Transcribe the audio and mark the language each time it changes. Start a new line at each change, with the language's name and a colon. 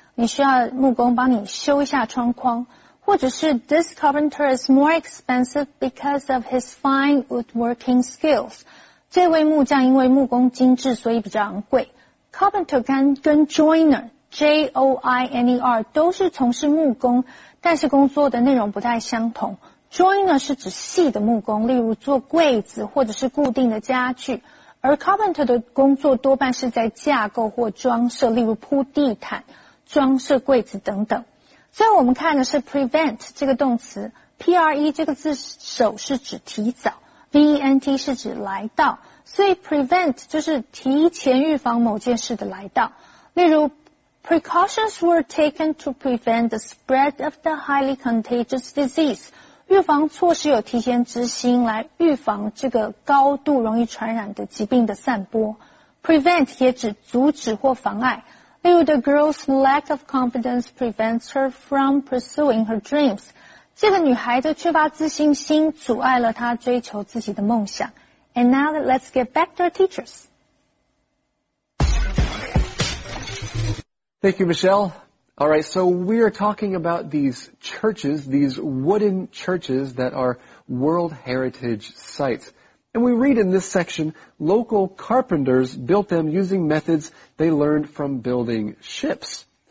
Chinese: 你需要木工帮你修一下窗框。或者是
English: this carpenter is more expensive because of his fine woodworking skills.
Chinese: 这位木匠因为木工精致所以比较昂贵。 Carpenter 跟 joiner, J-O-I-N-E-R, 都是从事木工但是工作的内容不太相同。 Joiner 是指细的木工例如做柜子或者是固定的家具。而 carpenter 的工作多半是在架构或装设例如铺地毯、装设柜子等等。所以我们看的是 prevent 这个动词 PRE 这个字首是指提早 VENT 是指来到所以 prevent 就是提前预防某件事的来到例如
English: precautions were taken to prevent the spread of the highly contagious disease
Chinese: 预防措施有提前执行来预防这个高度容易传染的疾病的散播
English: prevent
Chinese: 也指阻止或妨碍例如
English: the girl's lack of confidence prevents her from pursuing her dreams.
Chinese: 这个女孩的缺乏自信心阻碍了她追求自己的梦想。
English: And now let's get back to our teachers. Thank you, Michelle. All right, so we are talking about these churches, these wooden churches that are World Heritage Sites. And we read in this section, local carpenters built them using methods they learned from building ships.